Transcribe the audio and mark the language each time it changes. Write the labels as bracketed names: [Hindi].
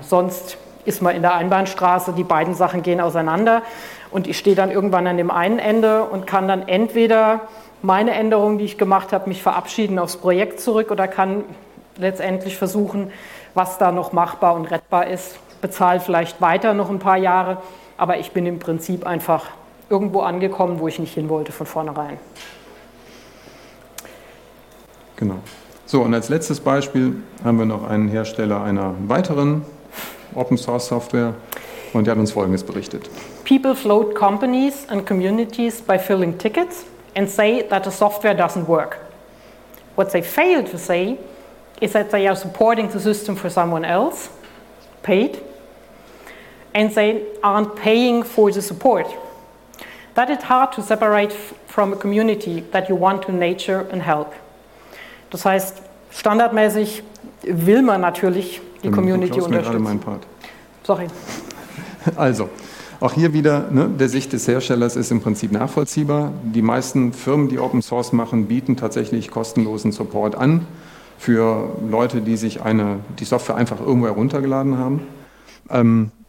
[German] Sonst ist man in der Einbahnstraße, die beiden Sachen gehen auseinander und ich stehe dann irgendwann an dem einen Ende und kann dann entweder meine Änderung, die ich gemacht habe, mich verabschieden aufs Projekt zurück oder kann letztendlich versuchen, was da noch machbar und rettbar ist, bezahle vielleicht weiter noch ein paar Jahre, aber ich bin im Prinzip einfach irgendwo angekommen, wo ich nicht hin wollte von vornherein. Genau. So, und als letztes Beispiel haben wir noch einen Hersteller einer weiteren Open-Source-Software und der hat uns Folgendes berichtet. [English] People float companies and communities by filling tickets and say that the software doesn't work. What they fail to say is that they are supporting the system for someone else, paid, and they aren't paying for the support. That is hard to separate from a community that you want to nurture and help. [German] Das heißt, standardmäßig will man natürlich die Community unterstützen. Sorry. Also, auch hier wieder, ne, der Sicht des Herstellers ist im Prinzip nachvollziehbar. Die meisten Firmen, die Open Source machen, bieten tatsächlich kostenlosen Support an für Leute, die sich die Software einfach irgendwo heruntergeladen haben.